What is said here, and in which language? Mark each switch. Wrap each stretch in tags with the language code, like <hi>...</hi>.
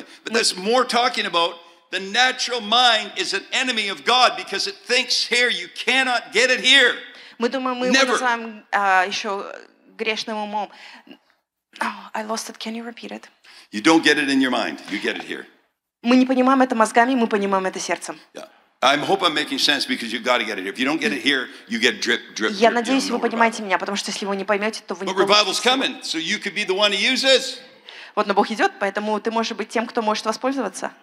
<en>But that's more talking about the natural mind is an enemy of God because it thinks here, you cannot get it here. Never. I lost it, can you repeat it? You don't get it in your mind, you get it here.</en> <ru>Мы не понимаем это мозгами, мы понимаем это сердцем.</ru> <en>I hope I'm making sense because you've got to get it here. If you don't get it here, you get drip.</en> <ru>Я надеюсь, вы понимаете меня, потому что если вы не поймете, то вы не получите.</ru> <en>But revival's coming, so you could be the one who uses.</en> <ru>Вот, но Бог идет, поэтому ты можешь быть тем, кто может воспользоваться.</ru>